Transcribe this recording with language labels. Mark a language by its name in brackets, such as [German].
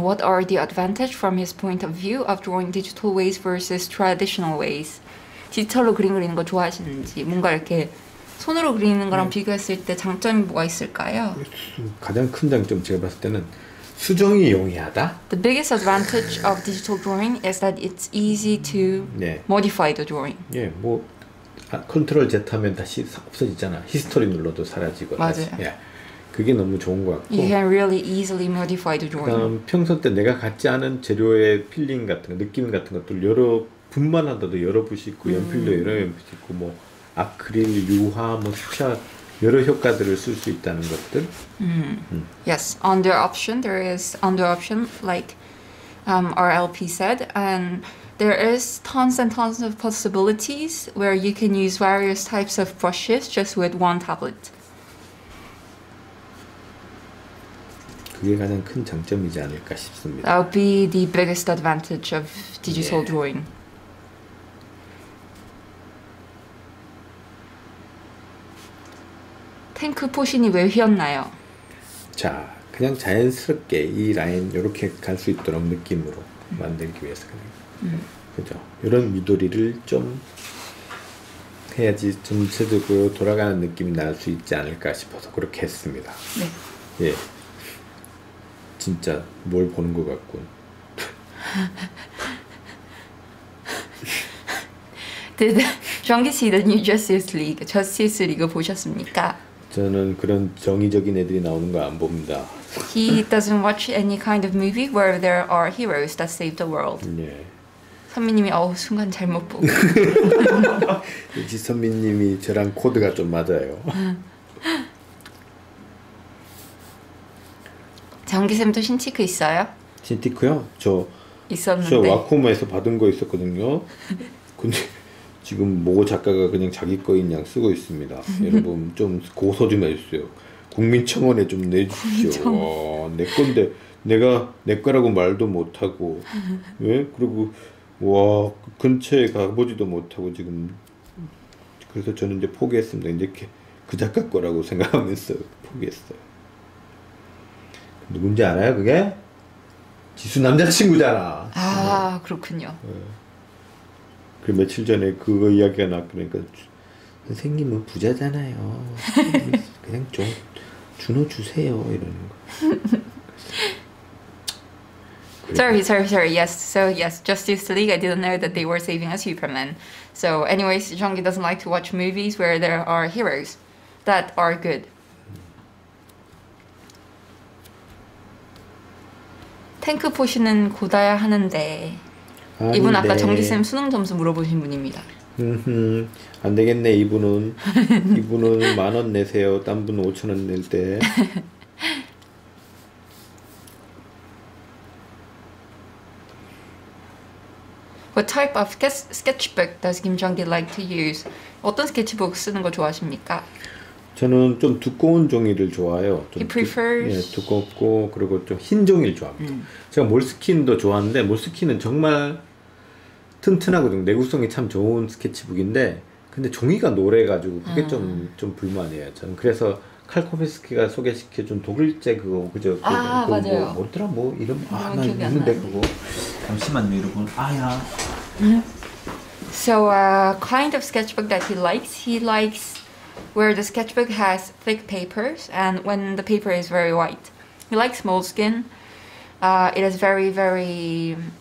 [English] What are the advantage from his point of view of drawing digital ways versus traditional ways? [Korean] 디지털로 그림 그리는 거 좋아하시는지 뭔가 이렇게 손으로 그리는 거랑 비교했을 때 장점이 뭐가 있을까요? 가장 큰 장점 제가 봤을 때는 수정이 용이하다. [English] The biggest advantage of digital drawing is that it's easy to 네. modify the drawing. [Korean] 예, 뭐 컨트롤 Z 하면 다시 없어지잖아. 히스토리 눌러도 사라지고. 맞아요. 예. 그게 너무 좋은 것 같고. [English] You can really easily modify the drawing. [Korean] 그다음 평소 때 내가 갖지 않은 재료의 필링 같은 거, 느낌 같은 것들 여러 분만 하더라도 여러 붓이 있고 연필도 여러 연필이 있고 뭐 아크릴, 유화, 뭐 수채화 여러 효과들을 쓸 수 있다는 것들. [English] Yes, under option there is under option like RLP said, and there is tons and tons of possibilities where you can use various types of brushes just with one tablet. [Korean] 그게 가장 큰 장점이지 않을까 싶습니다. [English] That would be the biggest advantage of digital drawing. [Korean] 탱크 포신이 왜 휘었나요? 자, 그냥 자연스럽게 이 라인 이렇게 갈 수 있도록 느낌으로 만들기 위해서 그냥. 그렇죠. 이런 미도리를 좀 해야지 좀 체적으로 돌아가는 느낌이 날 수 있지 않을까 싶어서 그렇게 했습니다. 네. 예. 진짜 뭘 보는 것 같군. [English] Did John see the new Justice League? [Korean] 보셨습니까? 저는 그런 정의적인 애들이 나오는 거 안 봅니다. He doesn't watch any kind of movie where there are heroes that save the world. 네. 선미님이 어우 순간 잘못 보고. 이제 선미님이 저랑 코드가 좀 맞아요. 장기 쌤도 신티크 있어요? 신티크요? 저 있었는데. 저 와코모에서 받은 거 있었거든요. 근데 지금 모고 작가가 그냥 자기 거인 양 쓰고 있습니다. 여러분 좀 고소 좀 해주세요. 국민청원에 좀 내주십시오. 내 건데 내가 내 거라고 말도 못하고 왜? 그리고 와 근처에 가보지도 못하고 지금 그래서 저는 이제 포기했습니다. 이렇게 그 작가 거라고 생각하면서 포기했어요. 누군지 알아요 그게? 지수 남자친구잖아. 아 그렇군요. 그 며칠 전에 그거 이야기가 났으니까 선생님은 부자잖아요. 그냥 좀 주노 주세요 이러는 거. [English] Sorry. Yes, Justice League. I didn't know that they were saving a Superman. So anyways, Jeonggi doesn't like to watch movies where there are heroes that are good. [Korean] 탱크 포시는 고다야 하는데 이분 아까 정기쌤 수능 점수 물어보신 분입니다. 안 되겠네 이분은. 이분은 만 원 내세요. 딴 분 5천 원 낼 때. [English] 뭐 type of sketchbook does Kim Jeonggi like to use? [Korean] 어떤 스케치북 쓰는 거 좋아하십니까? 저는 좀 두꺼운 종이를 좋아해요. 좀 He prefers... 예, 두껍고 그리고 좀 흰 종이를 좋아합니다. 제가 몰스킨도 좋아하는데 몰스킨은 정말 튼튼하고 좀 내구성이 참 좋은 스케치북인데 근데 종이가 노래가지고 그게 좀 불만이에요. 저는 그래서 칼코베스키가 소개시켜준 독일제 그거 그죠? 아 그거 맞아요. 뭐, 뭐더라 뭐 이름 아 나 있는데 그거 잠시만요 여러분 아야. [English] So a kind of sketchbook that he likes where the sketchbook has thick papers and when the paper is very white. He likes moleskin. It is very very.